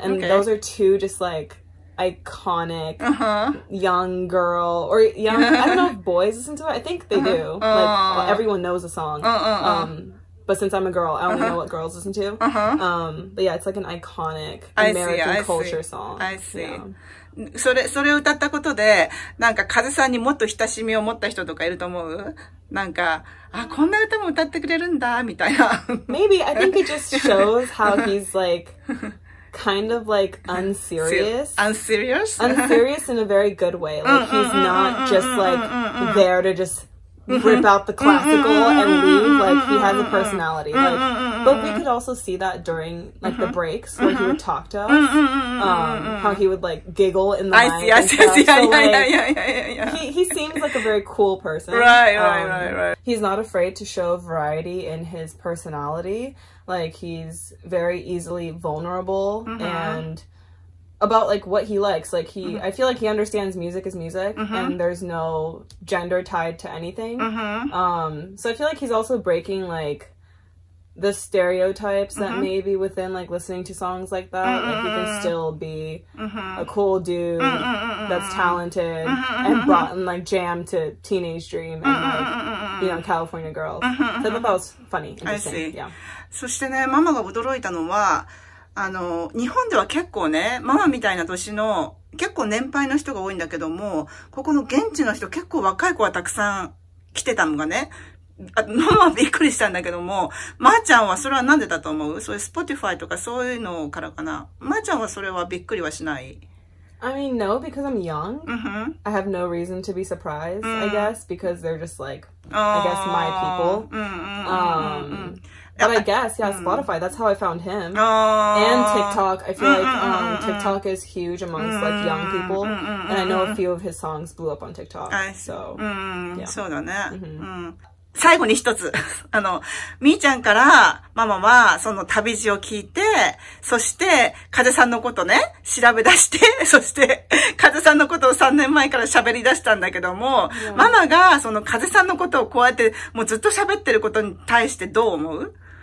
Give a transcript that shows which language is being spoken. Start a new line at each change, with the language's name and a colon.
English: And those are two just like... iconic、young girl or young, I don't know if boys listen to it. I think they、do. Like, everyone knows the song. But since I'm a girl, I only know what girls listen to. But yeah, it's like an iconic American culture song. I see.
Japanese: それを歌ったことで、なんか風さんにもっと親しみを持った人とかいると思う？なんか、あ、こんな歌も歌ってくれるんだみたいな。
English: Maybe. I think it just shows how he's like... kind of like unserious in a very good way, like he's not just like there to just rip out the classical and leave, like he has a personality, like, but we could also see that during like the breaks where he would talk to us, how he would like giggle in the night. He seems like a very cool person, right. He's not afraid to show variety in his personalityLike, he's very easily vulnerable、and about, like, what he likes. Like, he,、I feel like he understands music is music、and there's no gender tied to anything.、So I feel like he's also breaking, like, the stereotypes、that maybe within, like, listening to songs like that,、like, he can still be、a cool dude、that's talented、and brought in, like, jam to Teenage Dream and, like,、you know, California Girls.、So I thought that was funny. I see. Yeah.
Japanese: そしてね、ママが驚いたのは、あの、日本では結構ね、ママみたいな年の、結構年配の人が多いんだけども、ここの現地の人、結構若い子はたくさん来てたのがね、あ、ママはびっくりしたんだけども、まーちゃんはそれはなんでだと思う？そういう Spotify とかそういうのからかな。まーちゃんはそれはびっくりはしない？
English: I mean, no, because I'm young.、I have no reason to be surprised,、I guess, because they're just like, I guess, my people. But I guess, yeah, Spotify, that's how I found him. And TikTok. I feel like TikTok is huge amongst like, young people. And I know a few of his songs blew up on TikTok. So,
Japanese: yeah. そうだね。最後に一つ。あの、みーちゃんからママはその旅路を聞いて、そして、風さんのことね、調べ出して、そして、風さんのことを3年前から喋り出したんだけども、ママがその風さんのことをこうやってもうずっと喋ってることに対してどう思う？